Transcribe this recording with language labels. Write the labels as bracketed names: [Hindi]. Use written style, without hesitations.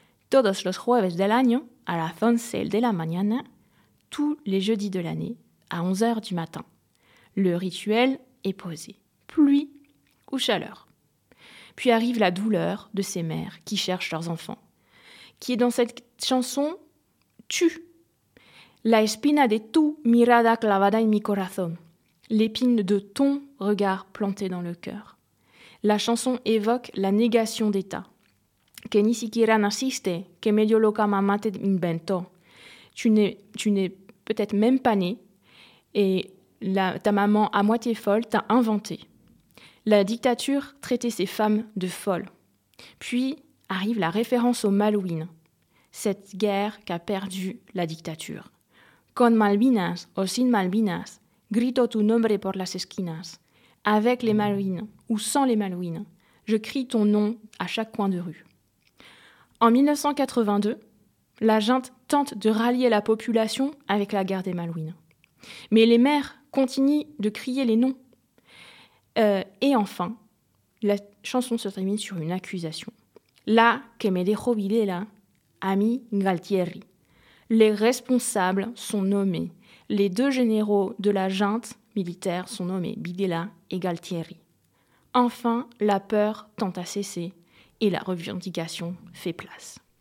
[Spanish] Todos los jueves del año, a las 11 de la mañana, [French] tous les jeudis de l'année, à 11h du matin. Le rituel est posé. Pluie ou chaleur. Puis arrive la douleur de ces mères qui cherchent leurs enfants, qui est dans cette chanson tue. [Spanish] La espina de tu mirada clavada en mi corazón. [French] L'épine de ton regard planté dans le cœur. La chanson évoque la négation d'État. [Spanish] Que ni siquiera naciste, que medio loca mamá te inventó. [French] Tu n'es peut-être même pas né, et ta maman à moitié folle t'a inventé. La dictature traitait ces femmes de folles. Puis arrive la référence aux Malouines, cette guerre qu'a perdue la dictature. [Spanish] Con Malvinas o sin Malvinas, grito tu nombre por las esquinas. [French] Avec les Malouines ou sans les Malouines, je crie ton nom à chaque coin de rue. En 1982, la junte tente de rallier la population avec la guerre des Malouines. Mais les maires continuent de crier les noms. Et enfin, la chanson se termine sur une accusation. [Spanish] La que me dejó Videla, a mi Galtieri. [French] Les responsables sont nommés. Les deux généraux de la junte militaire sont nommés Videla et Galtieri. Enfin, la peur tend à cesser et la revendication fait place.